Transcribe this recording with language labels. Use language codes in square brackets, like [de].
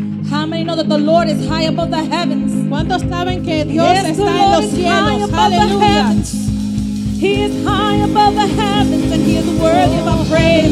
[en] How many know that the Lord is high above the heavens? [es] ¿Cuántos saben que Dios está en los cielos? [en] Hallelujah. He is high above the heavens and he is worthy of our praise.